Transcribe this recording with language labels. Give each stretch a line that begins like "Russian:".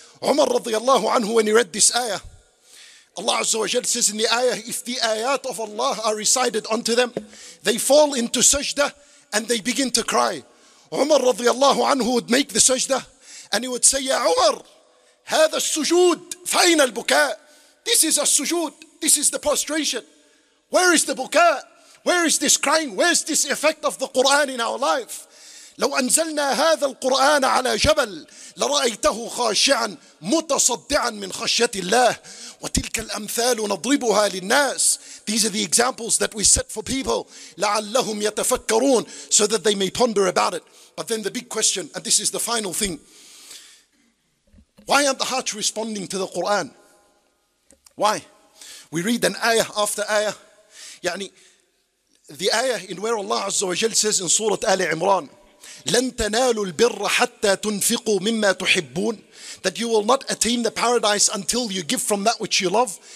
English: Umar radiallahu anhu, when he read this ayah, Allah Azza wa Jalla says in the ayah, if the ayat of Allah are recited unto them, they fall into sajda and they begin to cry. Umar radiallahu anhu would make the sajda and he would say,
Arabic: Ya Umar, hadha sujood, fayna al-buka.
English: This is a sujood, this is the prostration. Where is the buka? Where is this crying? Where is this effect of the Quran in our life?
Arabic: لو أنزلنا هذا القرآن على جبل لرأيته خاشعا متصدعا من خشية الله وتلك الأمثال نضربها للناس.
English: These are the examples that we set for people
Arabic: لعلهم يتفكرون,
English: so that they may ponder about it. But then the big question, and this is the final thing, why aren't the hearts responding to the Quran? Why? We read an ayah after ayah. يعني the ayah in where Allah Azza wa Jal says in Surah Ali Imran,
Arabic: لَن تَنَالُوا الْبِرَّ حَتَّى تُنْفِقُوا مِمَّا تُحِبُّونَ,
English: that you will not attain the paradise until you give from that which you love.